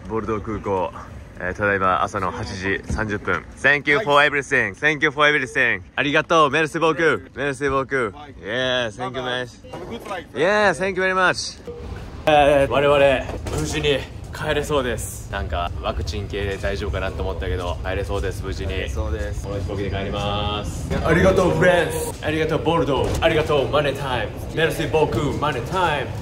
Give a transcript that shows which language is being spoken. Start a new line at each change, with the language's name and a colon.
Japanese: ボルドー空港、ただいま朝の8時30分。
English: Thank you for everything. Thank you for everything.
Japanese: ありがとう。
French: Merci beaucoup. Merci beaucoup.
English: Yeah, thank you much. Yeah, thank you very much.
Japanese: 我々無事に帰れそうです。なんかワクチン系で大丈夫かなと思ったけど帰れそうです。無事にそうです。この飛行機で帰ります。ありがとうフレンズ。ありがとうボルドー。ありがとうマネタイム。メルシーボークマネタイム。